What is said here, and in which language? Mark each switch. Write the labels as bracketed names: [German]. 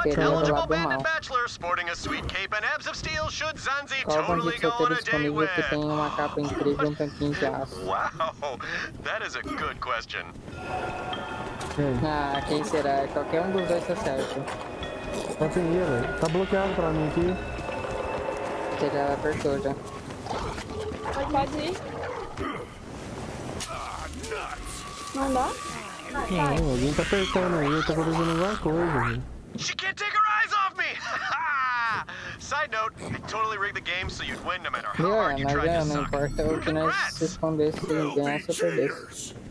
[English] what eligible bandit bachelor sporting a sweet cape and abs of steel should Zanzi totally go on a day with? [Portuguese] Que tem uma capa incrível, um tanquinho de aço. [English] Wow, that is a good question. [Portuguese] Ah, quem será? Qualquer um dos dois tá certo. Conseguiu, velho. Tá bloqueado pra mim aqui. Você já apertou já. Pode ir. Não dá? Não, alguém tá apertando aí, tá fazendo alguma coisa, velho. [English] She can't take her eyes off me! Side note, I totally rigged the game so you'd win no matter how hard you tried to suck. Congrats! [Portuguese] Eu tenho que responder se eu ganhasse ou perdesse.